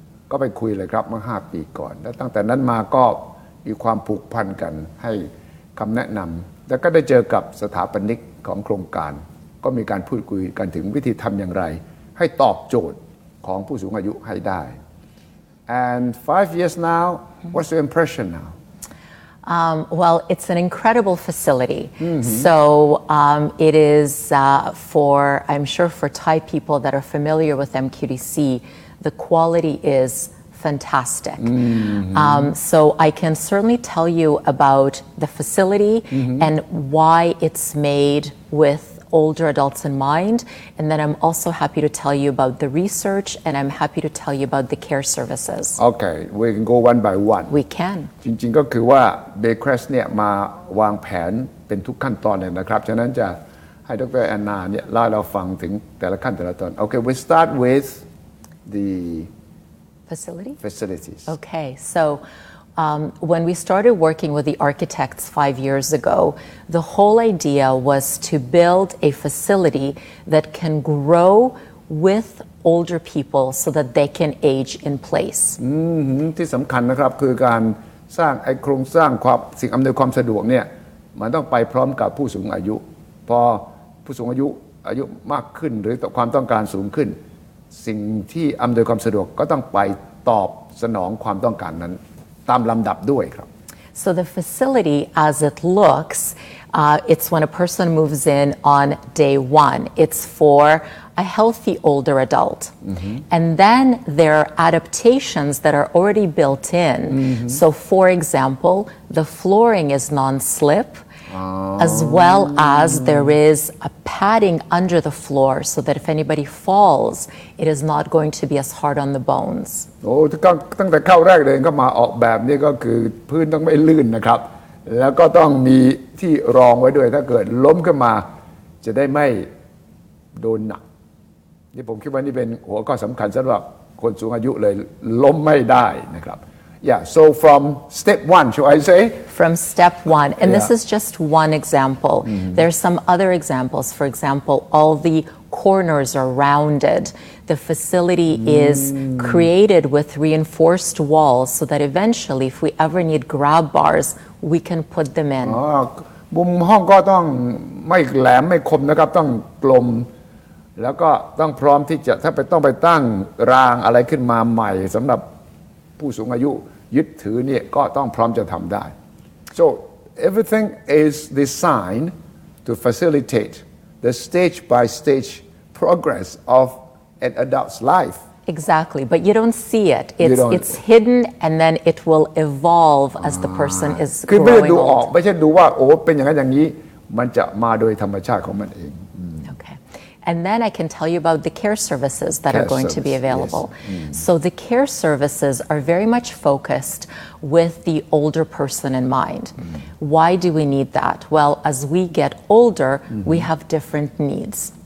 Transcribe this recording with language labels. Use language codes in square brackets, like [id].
[th] ก็ไปคุยเลยครับเมื่อ5ปีก่อนและตั้งแต่นั้นมาก็มีความผูกพันกันให้คำแนะนำแล้วก็ได้เจอกับสถาปนิกของโครงการก็มีการพูดคุยกันถึงวิธีทำอย่างไรให้ตอบโจทย์ของผู้สูงอายุให้ได้ [en] And 5 years now what's your impression now Well, it's an incredible facility. So it is for, I'm sure for Thai people that are familiar with MQDC, the quality is fantastic. So I can certainly tell you about the facility and why it's made with older adults in mind. And then I'm also happy to tell you about the research and I'm happy to tell you about the care services. Okay, we can go one by one. We can. [th] จริงๆก็คือว่า Baycrest เนี่ยมาวางแผนเป็นทุกขั้นตอนเลยนะครับฉะนั้นจะให้ดร. แอนนาเนี่ยเล่าให้เราฟังถึงแต่ละขั้นแต่ละตอน [en] Okay, we start with the facility. Facilities. Okay, so when we started working with the architects 5 years ago, the whole idea was to build a facility that can grow with older people so that they can age in place. [th] ที่สำคัญนะครับคือการสร้างไอ้โครงสร้างความสิ่งอำนวยความสะดวกเนี่ยมันต้องไปพร้อมกับผู้สูงอายุพอผู้สูงอายุมากขึ้นหรือความต้องการสูงขึ้นสิ่งที่อำนวยความสะดวกก็ต้องไปตอบสนองความต้องการนั้นตามลำดับด้วยครับ [en] So the facility as it looks it's when a person moves in on day one it's for a healthy older adult and then there are adaptations that are already built in so for example the flooring is non-slip as well as there is a padding under the floor so that if anybody falls it is not going to be as hard on the bones [th] ตั้งแต่เข้าแรกเลยก็มาออกแบบนี้ก็คือพื้นต้องไม่ลื่นนะครับแล้วก็ต้องมีที่รองไว้ด้วยถ้าเกิดล้มขึ้นมาจะได้ไม่โดนหนักนี่ผมคิดว่านี่เป็นหัวข้อสำคัญสำหรับคนสูงอายุเลยล้มไม่ได้นะครับ [en] Yeah, so from step one, shall I say? From step one, and this is just one example. There are some other examples. For example, all the corners are rounded. The facility is created with reinforced walls so that eventually, if we ever need grab bars, we can put them in. [th] มุมห้องก็ต้องไม่แหลมไม่คมนะครับต้องกลมแล้วก็ต้องพร้อมที่จะถ้าไปต้องไปตั้งรางอะไรขึ้นมาใหม่สำหรับผู้สูงอายุยึดถือเนี่ยก็ต้องพร้อมจะทำได้ [en] So everything is designed to facilitate the stage by stage progress of an adult's life Exactly but you don't see it it's hidden and then it will evolve as the person is growing [th] คือไม่ได้ดูออกไม่ใช่ดูว่าโอ้เป็นอย่างนั้นอย่างนี้มันจะมาโดยธรรมชาติของมันเอง [en] And then I can tell you about the care services that are going to be available. So the care services are very much focused with the older person in mind. Why do we need that? Well, as we get older, we have different needs.